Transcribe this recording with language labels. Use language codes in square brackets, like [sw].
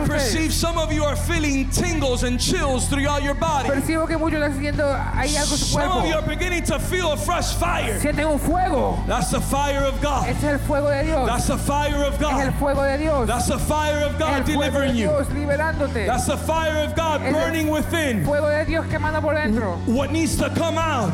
[en] I perceive some of you are feeling tingles and chills throughout your body. [es] Percibo que muchos están sintiendo ahí algo en su cuerpo. [en] Some of you are beginning to feel a fresh fire. [es] Sienten un fuego. [en] That's the fire of God. [es] Es el fuego de Dios. [en] That's the fire of God. [es] Es el fuego de Dios. [en] That's the fire of God delivering you. That's the fire of God burning within. [es] Fuego de Dios quemando por dentro. [en] What needs to come out.